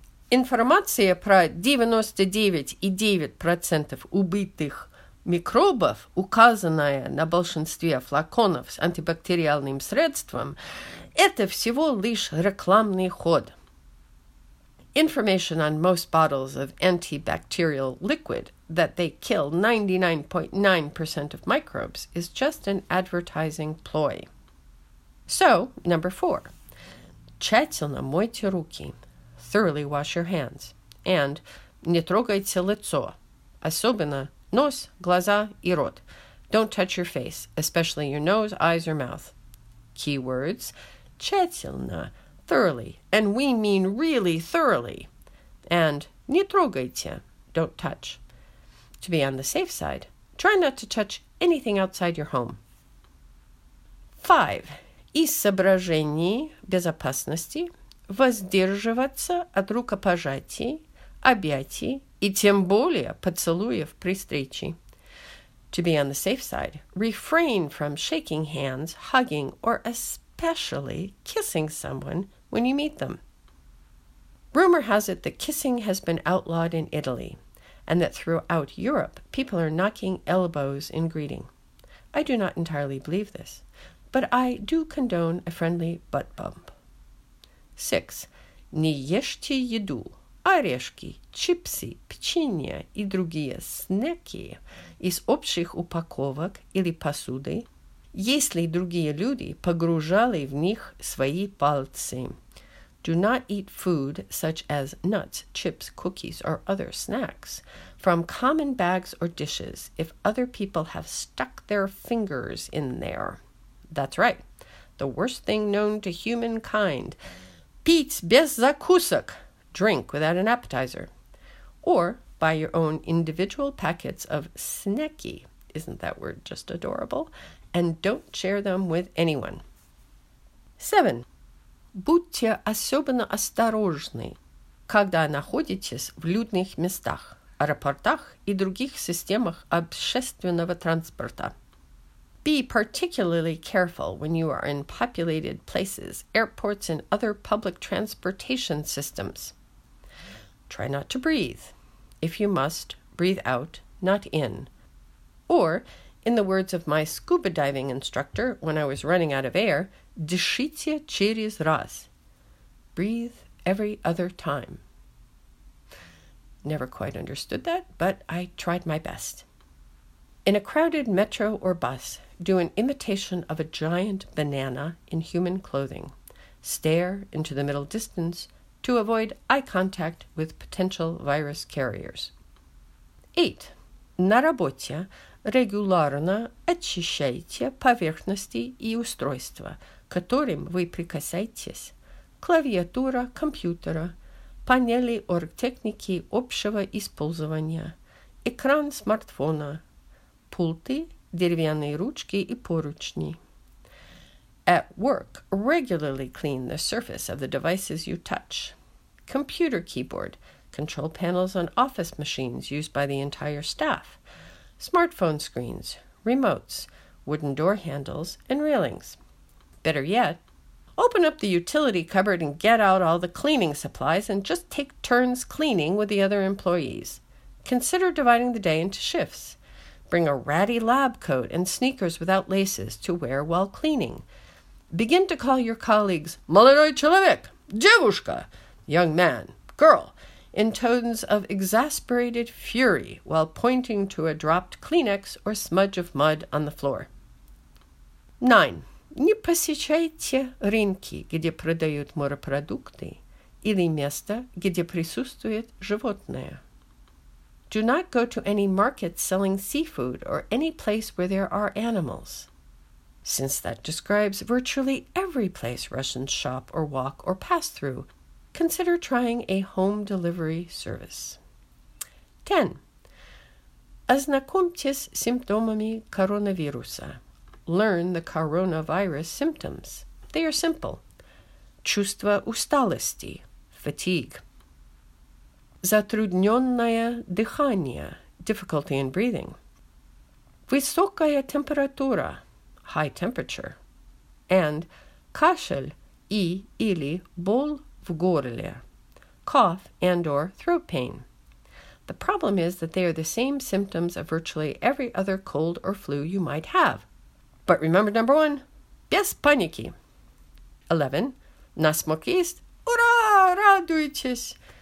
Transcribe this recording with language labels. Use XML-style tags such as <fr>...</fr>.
<ru>Информация про 99.9% убитых микробов, указанная на большинстве флаконов с антибактериальным средством, это всего лишь рекламный ход.</ru> <en>Information on most bottles of antibacterial liquid that they kill 99.9% of microbes is just an advertising ploy.</en> <ru>So, 4. Тщательно мойте руки.</ru> <en>Thoroughly wash your hands. And</en> <ru>не трогайте лицо. Особенно нос, глаза и рот.</ru> <en>Don't touch your face, especially your nose, eyes, or mouth. Keywords:</en> <ru>тщательно.</ru> <en>Thoroughly, and we mean really thoroughly. And</en> <ru>не трогайте,</ru> <en>don't touch. To be on the safe side, try not to touch anything outside your home. 5.</en> <ru>Из соображений безопасности воздерживаться от рукопожатий, объятий и тем более поцелуев при встрече.</ru> <en>To be on the safe side, refrain from shaking hands, hugging, or especially kissing someone when you meet them. Rumor has it that kissing has been outlawed in Italy, and that throughout Europe, people are knocking elbows in greeting. I do not entirely believe this, but I do condone a friendly butt bump. 6.</en> <ru>Не ешьте еду, орешки, чипсы, печенье и другие снеки из общих упаковок или посуды, если другие люди погружали в них свои пальцы.</ru> <en>Do not eat food such as nuts, chips, cookies, or other snacks from common bags or dishes if other people have stuck their fingers in there. That's right. The worst thing known to humankind.</en> <ru>Пить без закусок.</ru> <en>Drink without an appetizer. Or buy your own individual packets of snacky. Isn't that word just adorable? And don't share them with anyone. 7.</en> <ru>Будьте особенно осторожны, когда находитесь в людных местах, аэропортах и других системах общественного транспорта.</ru> <en>Be particularly careful when you are in populated places, airports, and other public transportation systems. try not to breathe. If you must, breathe out, not in. Or, in the words of my scuba diving instructor when I was running out of air,</en> <ru>дышите через раз.</ru> <en>Breathe every other time. Never quite understood that, but I tried my best. In a crowded metro or bus, do an imitation of a giant banana in human clothing. Stare into the middle distance to avoid eye contact with potential virus carriers. 8.</en> <ru>На работе регулярно очищайте поверхности и устройства, которым вы прикасаетесь. Клавиатура компьютера, панели оргтехники общего использования, экран смартфона, пульты, деревянные ручки и поручни.</ru> <en>At work, regularly clean the surface of the devices you touch. Computer keyboard, control panels on office machines used by the entire staff. Smartphone screens, remotes, wooden door handles, and railings. Better yet, open up the utility cupboard and get out all the cleaning supplies and just take turns cleaning with the other employees. Consider dividing the day into shifts. Bring a ratty lab coat and sneakers without laces to wear while cleaning. Begin to call your colleagues</en> <ru>«Молодой человек», «Девушка»,</ru> <en>«Young man», «Girl», in tones of exasperated fury while pointing to a dropped Kleenex or smudge of mud on the floor. 9.</en> <ru>Не посещайте рынки, где продают морепродукты, или место, где присутствует животное.</ru> <en>Do not go to any market selling seafood or any place where there are animals. Since that describes virtually every place Russians shop or walk or pass through, consider trying a home delivery service. 10.</en> <ru>Ознакомьтесь с симптомами коронавируса.</ru> <en>Learn the coronavirus symptoms. They are simple.</en> <ru>Чувство усталости,</ru> <en>fatigue.</en> <ru>Затрудненное дыхание,</ru> <en>difficulty in breathing.</en> <ru>Высокая температура,</ru> <en>high temperature.</en> <ru>And кашель и или боль в горле,</ru> <en>cough and or throat pain. The problem is that they are the same symptoms of virtually every other cold or flu you might have. But remember number 1,</en> <ru>без паники. 11, насморк есть, ура, радуйтесь.</ru>